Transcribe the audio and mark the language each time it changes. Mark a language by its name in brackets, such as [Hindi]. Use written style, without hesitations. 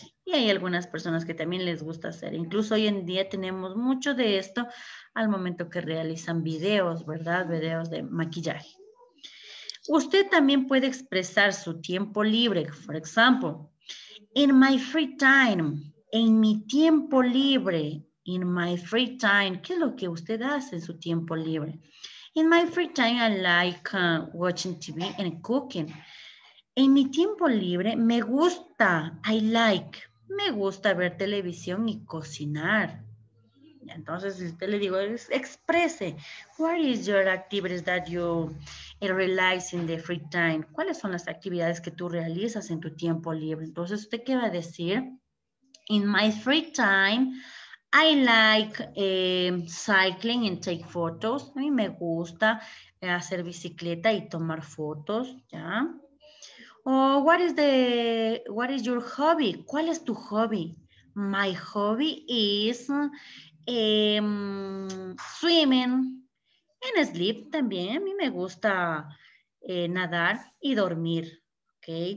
[Spanish] Y hay algunas personas que también les gusta hacer. Incluso hoy en día tenemos mucho de esto al momento que realizan videos, ¿verdad? Videos de maquillaje. Usted también puede expresar su tiempo libre. [English] For example, in my free time, [Spanish] en mi tiempo libre, [English] in my free time, [Spanish] ¿qué es lo que usted hace en su tiempo libre? [English] In my free time, I like watching TV and cooking. [Spanish] En mi tiempo libre, me gusta, [English] I like, [Spanish] me gusta ver televisión y cocinar. Entonces, si usted le digo, exprese, [English] what is your activities that you realize in the free time? [Spanish] ¿Cuáles son las actividades que tú realizas en tu tiempo libre? Entonces, ¿usted qué va a decir? [English] In my free time, I like cycling and take photos. [Spanish] A mí me gusta hacer bicicleta y tomar fotos, ¿ya? O, [English] what is your hobby? [Spanish] ¿Cuál es tu hobby? [English] My hobby is swimming and sleep [Spanish] también. A mí me gusta nadar y dormir. Okay.